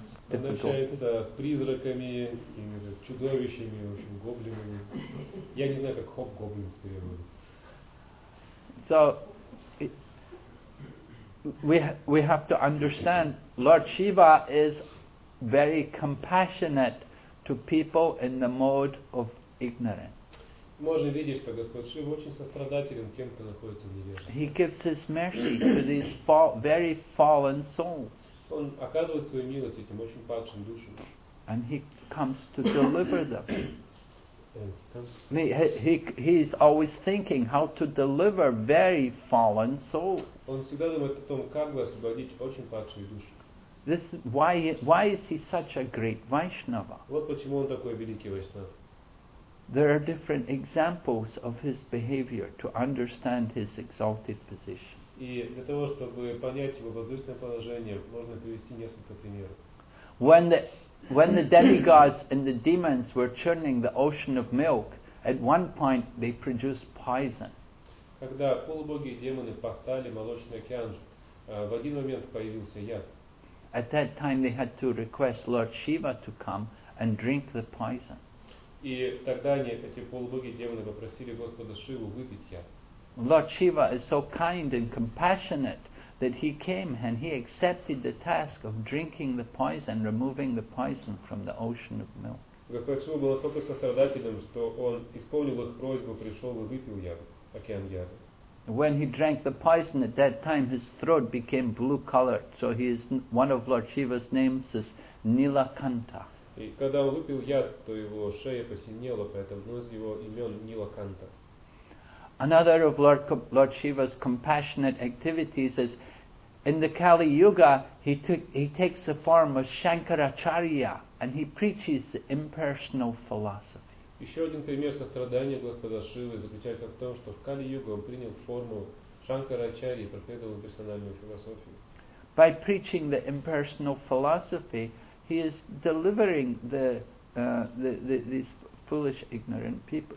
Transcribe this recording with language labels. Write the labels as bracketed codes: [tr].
[ru] Он общается с призраками и чудовищами, в общем, гоблинами. Я не знаю, как хоб-гоблинс переводится. [en] So, we have to understand, Lord Shiva is very compassionate to people in the mode of ignorance. [ru] Можно видеть, что Господь Шива очень сострадателен тем, кто находится в невежестве. [en] He gives his mercy to these very fallen souls. [ru] Он оказывает свою милость этим очень падшим душам. [en] And he comes to deliver them. He is always thinking how to deliver very fallen souls. [ru] Он всегда думает о том, как бы освободить очень падшие души. [en] This why is he such a great Vaishnava? [ru] Вот почему он такой великий Вайшнава. [en] There are different examples of his behavior to understand his exalted position. [ru] И для того, чтобы понять его возвышенное положение, можно привести несколько примеров. [en] When the demigods and the demons were churning the ocean of milk, at one point they produced poison. [ru] Когда полубоги и демоны пахтали молочный океан, в один момент появился яд. [en] At that time they had to request Lord Shiva to come and drink the poison. [ru] И тогда они, эти полубоги и демоны, попросили Господа Шиву выпить яд. [en] Lord Shiva is so kind and compassionate that he came and he accepted the task of drinking the poison, removing the poison from the ocean of milk. [ru] Господь Шива был настолько сострадательным, что он исполнил их просьбу, пришел и выпил яд, океан яда. [en] When he drank the poison at that time, his throat became blue colored. So he is one of Lord Shiva's names is Nilakanta. [ru] И когда он выпил яд, то его шея посинела, поэтому одно из его имен Нилаканта. [en] Another of Lord Shiva's compassionate activities is in the Kali Yuga he takes the form of Shankaracharya and he preaches the impersonal philosophy. [ru] Еще один пример сострадания Господа Шивы заключается в том, что в Кали Юга он принял форму Шанкарачарьи и проповедовал персональную философию. [en] By preaching the impersonal philosophy, he is delivering these foolish, ignorant people.